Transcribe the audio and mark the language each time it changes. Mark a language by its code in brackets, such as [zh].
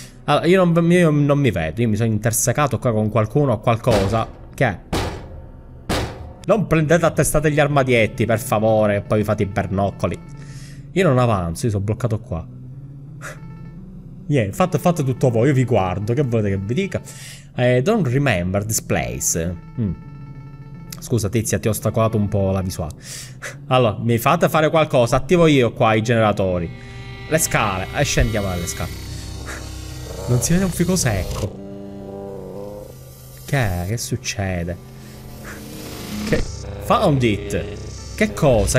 [it] Allora, io non mi vedo, io mi sono intersecato qua con qualcuno o qualcosa. Che è? Non prendete a testa degli armadietti, per favore, e poi vi fate i bernoccoli. Io non avanzo, io sono bloccato qua. Niente, fate tutto voi, io vi guardo, che volete che vi dica? [en] Don't remember this place. [it] Scusa tizia, ti ho ostacolato un po' la visuale. Allora, mi fate fare qualcosa, attivo io qua i generatori. Le scale, scendiamo dalle scale. Non si vede un fico secco. Che è? Che succede? Che... [en] Found it! [it] Che cosa?